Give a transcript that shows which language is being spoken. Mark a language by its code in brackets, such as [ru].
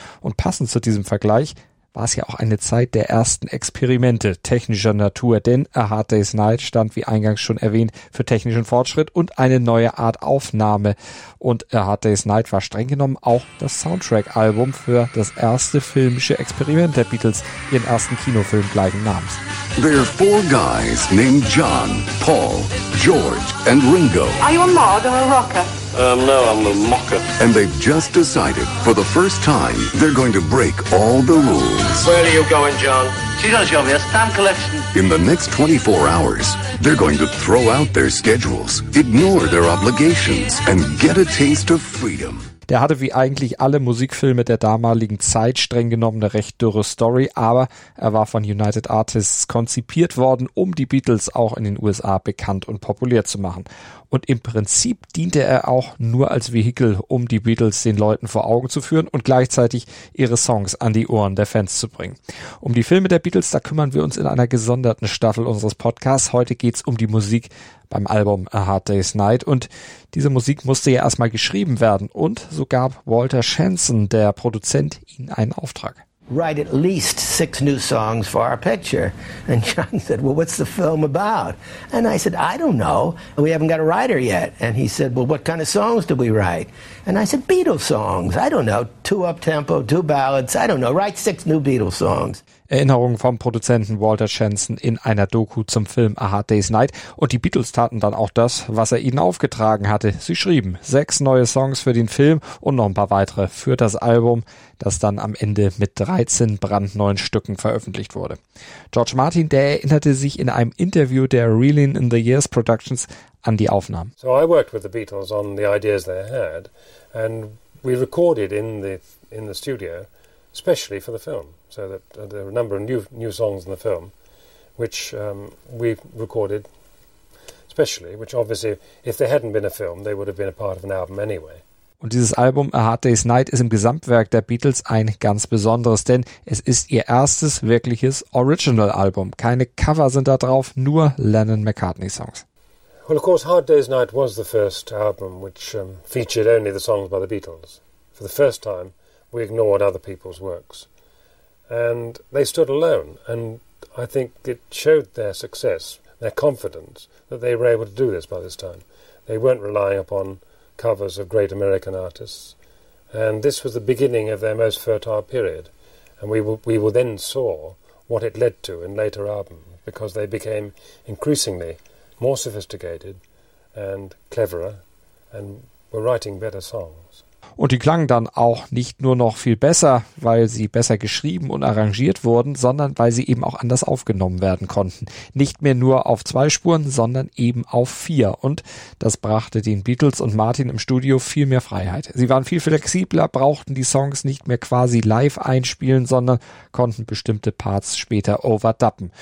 [de] Und passend zu diesem Vergleich war es ja auch eine Zeit der ersten Experimente technischer Natur, denn A Hard Day's Night stand, wie eingangs schon erwähnt, für technischen Fortschritt und eine neue Art Aufnahme. Und A Hard Day's Night war streng genommen auch das Soundtrack-Album für das erste filmische Experiment der Beatles, ihren ersten Kinofilm gleichen Namens. [en] There are four guys named John, Paul, George and Ringo. Are you a mod or a rocker? No, I'm a mocker. And they've just decided, for the first time, they're going to break all the rules. Where are you going, John? She's gonna show me a stamp collection. In the next 24 hours, they're going to throw out their schedules, ignore their obligations, and get a taste of freedom. [de] Der hatte wie eigentlich alle Musikfilme der damaligen Zeit streng genommen eine recht dürre Story, aber er war von United Artists konzipiert worden, um die Beatles auch in den USA bekannt und populär zu machen. Und im Prinzip diente er auch nur als Vehikel, um die Beatles den Leuten vor Augen zu führen und gleichzeitig ihre Songs an die Ohren der Fans zu bringen. Um die Filme der Beatles, da kümmern wir uns in einer gesonderten Staffel unseres Podcasts. Heute geht's um die Musik beim Album A Hard Day's Night. Und diese Musik musste ja erstmal geschrieben werden. Und so gab Walter Shenson, der Produzent, ihnen einen Auftrag. [en] Write at least 6 new songs for our picture. And John said, well, what's the film about? And I said, I don't know. We haven't got a writer yet. And he said, well, what kind of songs do we write? And I said, Beatles songs. I don't know. 2 up-tempo, 2 ballads. I don't know. Write 6 new Beatles songs. [de] Erinnerungen vom Produzenten Walter Shenson in einer Doku zum Film A Hard Day's Night. Und die Beatles taten dann auch das, was er ihnen aufgetragen hatte. Sie schrieben 6 neue Songs für den Film und noch ein paar weitere für das Album, das dann am Ende mit 13 brandneuen Stücken veröffentlicht wurde. George Martin, der erinnerte sich in einem Interview der Reeling in the Years Productions an die Aufnahmen. [en] So I worked with the Beatles on the ideas they had and we recorded in the studio. Especially for the film, so that there are a number of new songs in the film, which we recorded specially, which obviously, if there hadn't been a film, they would have been a part of an album anyway. [de] Und dieses Album A Hard Day's Night ist im Gesamtwerk der Beatles ein ganz besonderes, denn es ist ihr erstes wirkliches Original-Album. Keine Cover sind da drauf, nur Lennon-McCartney-Songs. [en] Well, of course, Hard Day's Night was the first album which featured only the songs by the Beatles. For the first time, we ignored other people's works. And they stood alone. And I think it showed their success, their confidence, that they were able to do this by this time. They weren't relying upon covers of great American artists. And this was the beginning of their most fertile period. And we then saw what it led to in later albums, because they became increasingly more sophisticated and cleverer and were writing better songs. [de] Und die klangen dann auch nicht nur noch viel besser, weil sie besser geschrieben und arrangiert wurden, sondern weil sie eben auch anders aufgenommen werden konnten. Nicht mehr nur auf zwei Spuren, sondern eben auf vier. Und das brachte den Beatles und Martin im Studio viel mehr Freiheit. Sie waren viel flexibler, brauchten die Songs nicht mehr quasi live einspielen, sondern konnten bestimmte Parts später overdubben.